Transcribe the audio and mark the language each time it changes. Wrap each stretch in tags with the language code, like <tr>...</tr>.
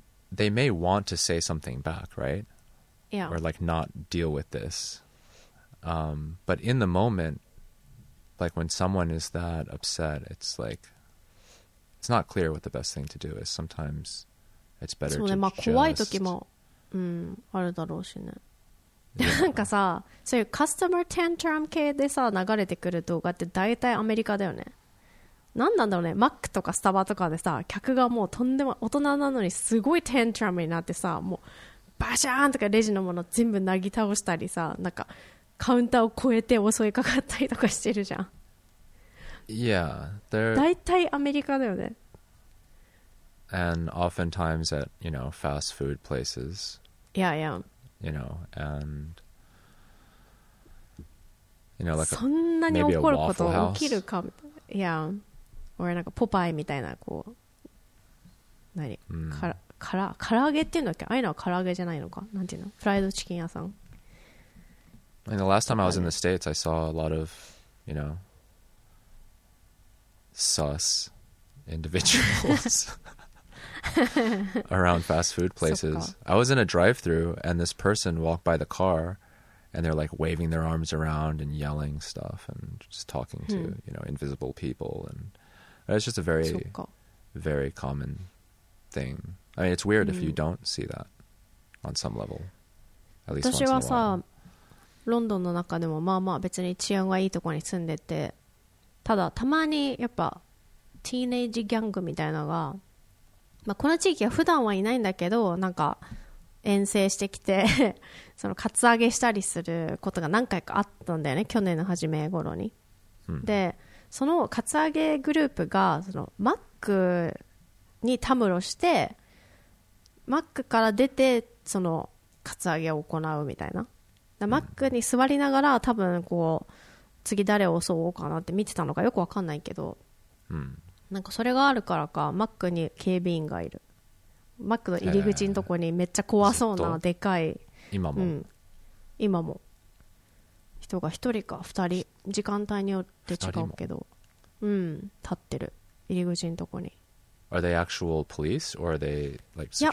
<en>They may want to say something back, right? Yeah. Or like not deal with this. But in the moment, like when someone is that upset, it's like, it's not clear what the best thing to do is. Sometimes it's better</en> <ja>そうね、まあ怖い時も、あるだろうしね。 Yeah. なんかさ、そういうカスタマーテントラム系でさ、流れてくる動画って大体アメリカだよね。何なんだろうね、マックとかスタバとかでさ、客がもうとんでも大人なのにすごいテントラムになってさ、もうバシャーンとかレジのもの全部なぎ倒したりさ、なんかカウンターを越えて襲いかかったりとかしてるじゃん。だいたいアメリカだよね。</ja> <en>And oftentimes at, you know, fast food places. Yeah, yeah. You know, and you know, like</en> <ja>そんなに起こること起きるか。</ja> <en>Yeah. Or like</en> <ja>Popeye, みたいなこう、何、から揚げっていうんだっけ？ああいうのは唐揚げじゃないのか？なんていうの？フライドチキン屋さん。</ja> <en>And the last time I was in the States, I saw a lot of, you know, sus individuals. around fast food places. I was in a drive-thru and this person walked by the car and they're like waving their arms around and yelling stuff and just talking to, you know, invisible people. And it's just a very, very common thing. I mean, it's weird if you don't see that on some level. At least once in a while.</en> <ja>ロンドンの中でもまあまあ別に治安がいいところに住んでて、ただたまにやっぱティーネイジギャングみたいなのが、まあこの地域は普段はいないんだけど、なんか遠征してきてそのカツアゲしたりすることが何回かあったんだよね、去年の初め頃に。でそのカツアゲグループがそのマックにたむろして、マックから出てそのカツアゲを行うみたいな、マックに座りながら多分こう次誰を襲おうかなって見てたのかよく分かんないけど、なんかそれがあるからかマックに警備員がいる、マックの入り口のとこにめっちゃ怖そうなでかい、今も、今も人が一人か二人、時間帯によって違うけど、立ってる入り口のとこに。</ja> <en>Are they actual police or are they like security?</en>